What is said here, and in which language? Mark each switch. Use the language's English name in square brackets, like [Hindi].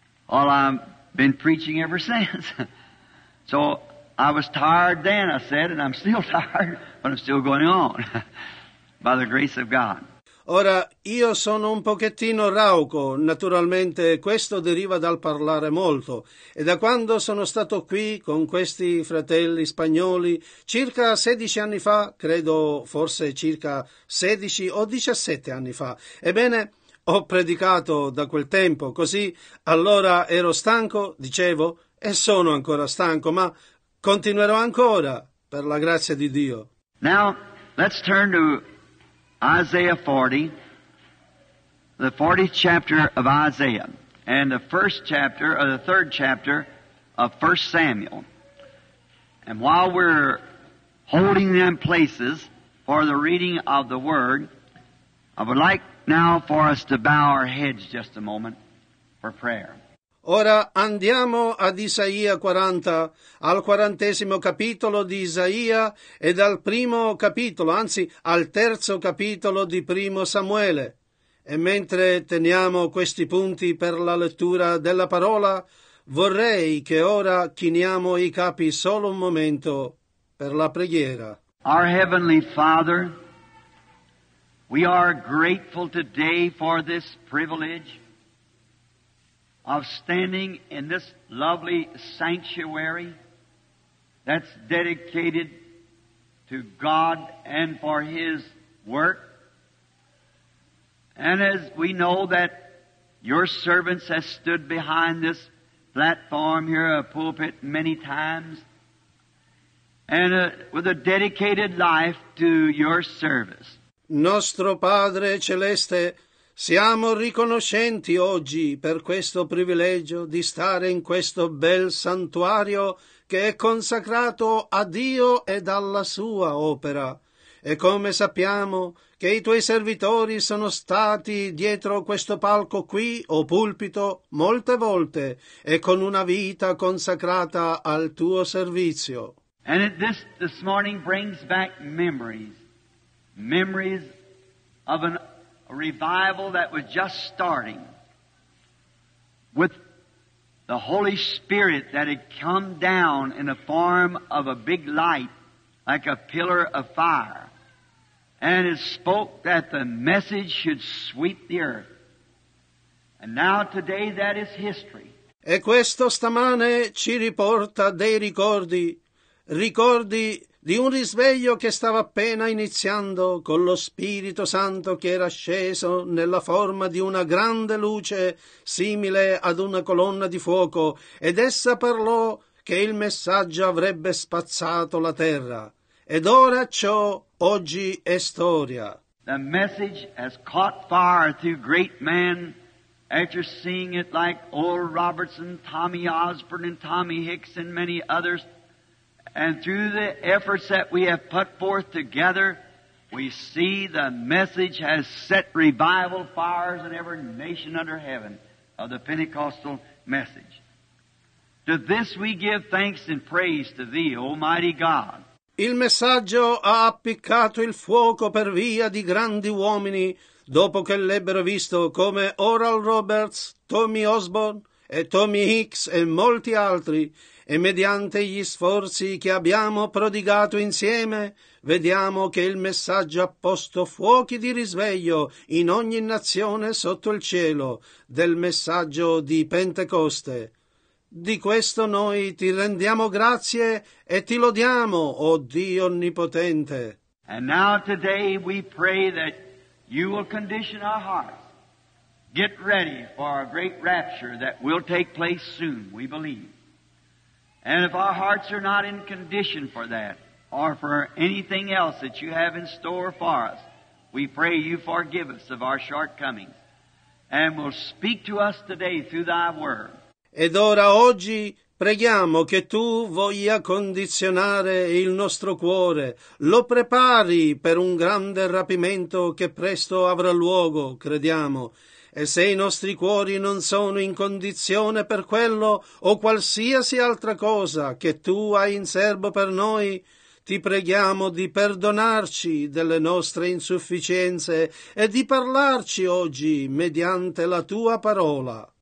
[English] Well, I've been preaching ever since. So I was tired then, I said, and I'm still tired, but I'm still going on by the grace of God. [Italian] Ora, io sono un pochettino rauco, naturalmente questo deriva dal parlare molto, e da quando sono stato qui con questi fratelli spagnoli, circa 16 anni fa, credo forse circa 16 o 17 anni fa, ebbene, ho predicato da quel tempo, così allora ero stanco, dicevo, e sono ancora stanco, ma continuerò ancora, per la grazia di Dio. [English] Now, let's turn to Isaiah 40, the 40th chapter of Isaiah, and the first chapter, or the third chapter of 1 Samuel. And while we're holding them places for the reading of the Word, I would like now for us to bow our heads just a moment for prayer. [Italian] Ora andiamo ad Isaia 40, al 40° capitolo di Isaia e dal primo capitolo, anzi al terzo capitolo di Primo Samuele. E mentre teniamo questi punti per la lettura della parola, vorrei che ora chiniamo i capi solo un momento per la preghiera. [English] Our Heavenly Father, we are grateful today for this privilege of standing in this lovely sanctuary that's dedicated to God and for His work. And as we know that Your servants have stood behind this platform here, a pulpit, many times, and with a dedicated life to Your service. [Italian] Nostro Padre Celeste, siamo riconoscenti oggi per questo privilegio di stare in questo bel santuario che è consacrato a Dio e alla Sua opera. E come sappiamo che i Tuoi servitori sono stati dietro questo palco qui, o pulpito, molte volte e con una vita consacrata al Tuo servizio. [English] And this morning brings back memories. Memories of a revival that was just starting with the Holy Spirit that had come down in the form of a big light like a pillar of fire. And it spoke that the message should sweep the earth. And now today that is history. [Italian] E questo stamane ci riporta dei ricordi, ricordi di un risveglio che stava appena iniziando con lo Spirito Santo che era sceso nella forma di una grande luce simile ad una colonna di fuoco, ed essa parlò che il messaggio avrebbe spazzato la terra. Ed ora ciò oggi è storia. [English] The message has caught fire through great men after seeing it like Oral Robertson, Tommy Osborne and Tommy Hicks and many others. And through the efforts that we have put forth together, we see the message has set revival fires in every nation under heaven of the Pentecostal message. To this we give thanks and praise to Thee, Almighty God. [Italian] Il messaggio ha appiccato il fuoco per via di grandi uomini, dopo che l'ebbero visto, come Oral Roberts, Tommy Osborne e Tommy Hicks e molti altri. E mediante gli sforzi che abbiamo prodigato insieme, vediamo che il messaggio ha posto fuochi di risveglio in ogni nazione sotto il cielo del messaggio di Pentecoste. Di questo noi ti rendiamo grazie e ti lodiamo, o Dio Onnipotente. [English] And now today we pray that you will condition our hearts. Get ready for a great rapture that will take place soon, we believe. And if our hearts are not in condition for that, or for anything else that you have in store for us, we pray you forgive us of our shortcomings, and will speak to us today through thy word. [Italian] Ed ora oggi preghiamo che tu voglia condizionare il nostro cuore, lo prepari per un grande rapimento che presto avrà luogo, crediamo. E se i nostri cuori non sono in condizione per quello o qualsiasi altra cosa che tu hai in serbo per noi, ti preghiamo di perdonarci delle nostre insufficienze e di parlarci oggi mediante la tua parola.